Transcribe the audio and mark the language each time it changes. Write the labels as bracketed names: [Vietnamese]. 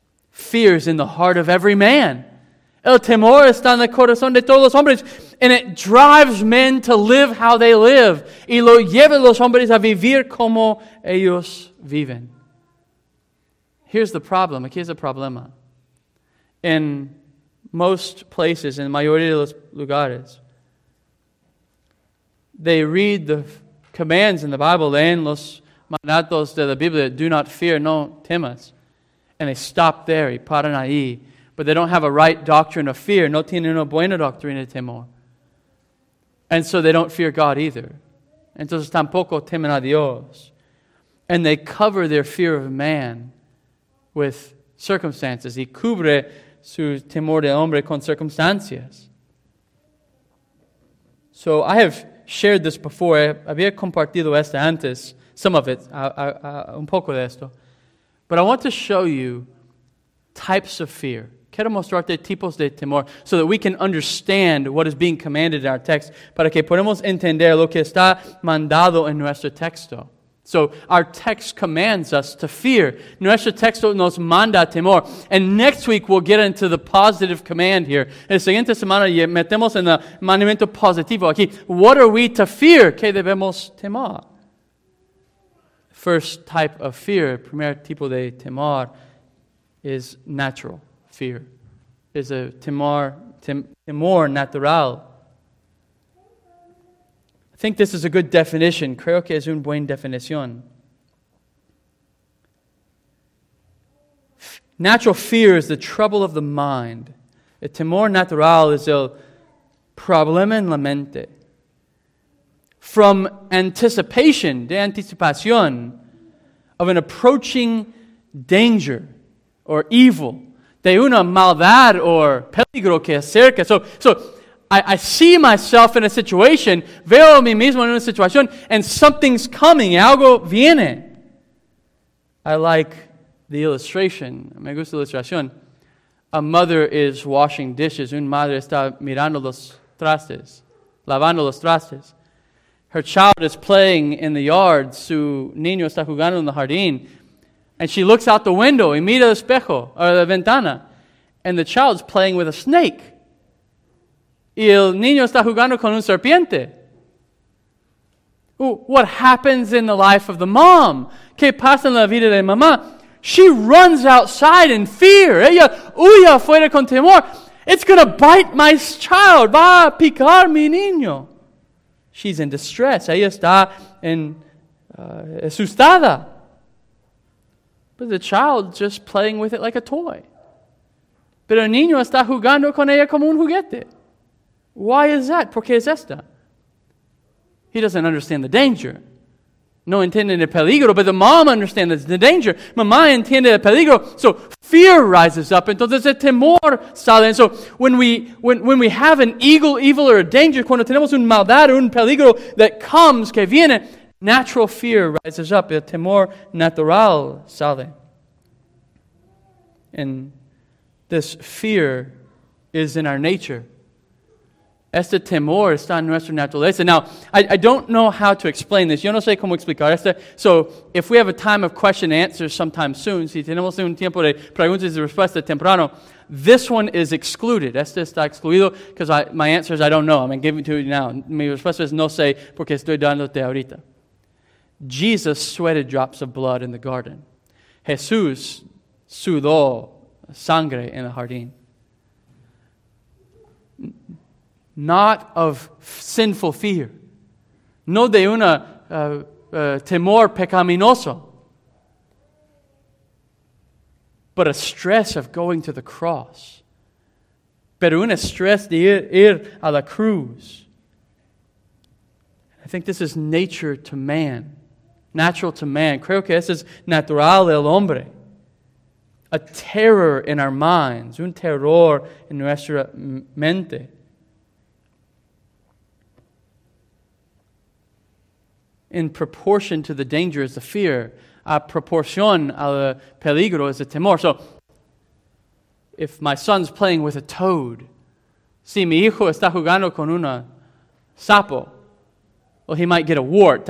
[English] Fear is in the heart of every man. [Spanish] El temor está en el corazón de todos los hombres. [English] And it drives men to live how they live. [Spanish] Y lo lleva los hombres a vivir como ellos viven. [English] Here's the problem. [Spanish] Aquí es el problema. [English] In most places, in the [Spanish] mayoría de los lugares, [English] they read the commands in the Bible, [Spanish] leen los mandatos de la Biblia, [English] do not fear, [Spanish] no temas. [English] And they stop there, [Spanish] y paran ahí. [English] But they don't have a right doctrine of fear, [Spanish] no tienen una buena doctrina de temor. [English] And so they don't fear God either. [Spanish] Entonces tampoco temen a Dios. [English] And they cover their fear of man with circumstances. [Spanish] Y cubre su temor de hombre con circunstancias. [English] So I have shared this before. [Spanish] Había compartido esto antes. [English] Some of it. [Spanish] Un poco de esto. [English] But I want to show you types of fear. [Spanish] Quiero mostrarte tipos de temor [English] so that we can understand what is being commanded in our text. [Spanish] Para que podamos entender lo que está mandado en nuestro texto. [English] So our text commands us to fear. [Spanish] Nuestro texto nos manda temor. [English] And next week we'll get into the positive command here. [Spanish] En la siguiente semana metemos en el mandamiento positivo aquí. [English] What are we to fear? [Spanish] ¿Qué debemos temer? [English] First type of fear, [Spanish] primer tipo de temor, [English] is natural fear. [Spanish] Is a temor natural. [English] I think this is a good definition. [Spanish] Creo que es una buena definición. [English] Natural fear is the trouble of the mind. [Spanish] El temor natural es el problema en la mente. [English] From anticipation, [Spanish] de anticipación, [English] of an approaching danger or evil. [Spanish] De una maldad or peligro que acerca. [English] So I see myself in a situation, [Spanish] veo a mí mismo en una situación, [English] and something's coming, [Spanish] algo viene. [English] I like the illustration, [Spanish] me gusta la ilustración. [English] A mother is washing dishes, [Spanish] una madre está mirando los trastes, lavando los trastes. [English] Her child is playing in the yard, [Spanish] su niño está jugando en el jardín, [English] and she looks out the window [Spanish] y mira el espejo, or la ventana, [English] and the child's playing with a snake. [Spanish] Y el niño está jugando con un serpiente. [English] What happens in the life of the mom? [Spanish] ¿Qué pasa en la vida de mamá? [English] She runs outside in fear. [Spanish] Ella huye afuera con temor. [English] It's going to bite my child. [Spanish] Va a picar mi niño. [English] She's in distress. [Spanish] Ella está en asustada. [English] But the child just playing with it like a toy. Pero el niño está jugando con ella como un juguete. Why is that? [Spanish] ¿Por qué es esta? [English] He doesn't understand the danger. [Spanish] No entiende el peligro, [English] but the mom understands the danger. [Spanish] Mamá entiende el peligro. [English] So fear rises up. [Spanish] Entonces el temor sale. [English] And so when we have an evil or a danger, [Spanish] cuando tenemos un maldad o un peligro [English] that comes, [Spanish] que viene, [English] natural fear rises up. [Spanish] El temor natural sale. [English] And this fear is in our nature. [Spanish] Este temor está en nuestra naturaleza. [English] Now, I don't know how to explain this. [Spanish] Yo no sé cómo explicar esto. [English] So, if we have a time of question and answers sometime soon, [Spanish] si tenemos un tiempo de preguntas y respuestas temprano, [English] this one is excluded. [Spanish] Este está excluido [English] because my answer is I don't know. I'm giving it to you now. [Spanish] Mi respuesta es no sé porque estoy dándote ahorita. [English] Jesus sweated drops of blood in the garden. [Spanish] Jesús sudó sangre en el jardín. [English] Not of sinful fear. [Spanish] No de una temor pecaminoso. [English] But a stress of going to the cross. [Spanish] Pero un estrés de ir a la cruz. [English] I think this is nature to man. Natural to man. [Spanish] Creo que eso es natural al hombre. [English] A terror in our minds. [Spanish] Un terror en nuestra mente. [English] In proportion to the danger is the fear. [Spanish] A proporción al peligro [English] is the temor. So, if my son's playing with a toad, [Spanish] si mi hijo está jugando con una sapo, [English] well, he might get a wart.